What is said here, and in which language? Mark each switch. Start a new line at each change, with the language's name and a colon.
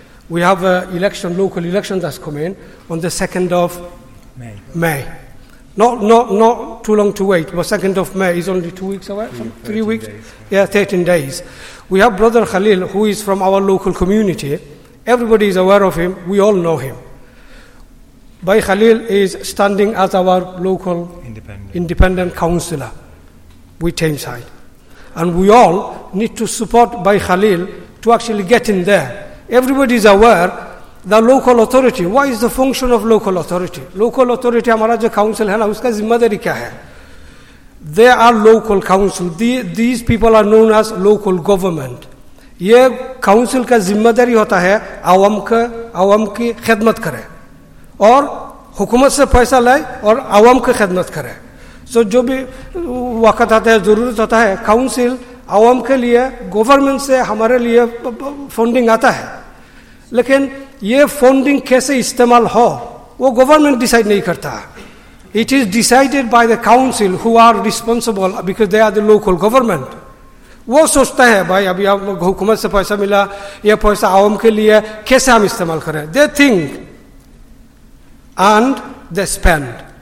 English: We have a election, local election that's coming on the second of May. Not too long to wait. The 2nd of May is only 2 weeks away, 3 weeks? Days. Yeah, 13 days. We have Brother Khalil, who is from our local community. Everybody is aware of him. We all know him. Bhai Khalil is standing as our local independent counselor with Tameside. And we all need to support Bhai Khalil to actually get in there. Everybody is aware. The local authority, what is the function of local authority? Local authority, our council is what is the responsibility of it? They are local council. These people are known as local government. This council is the responsibility of the people to serve the people. Or take money from the government and serve the people. So, council is the government for the government funding.
Urdu: But, یہ funding کیسے استعمال ہو وہ government decide نہیں کرتا.
English: It is decided by the council who are responsible because they are the local government.
Urdu: وہ سوچتا ہے بھائی ابھی حکومت سے پیسہ ملا, یہ پیسہ عوام کے لیے کیسے ہم استعمال کریں.
English: They think and they spend.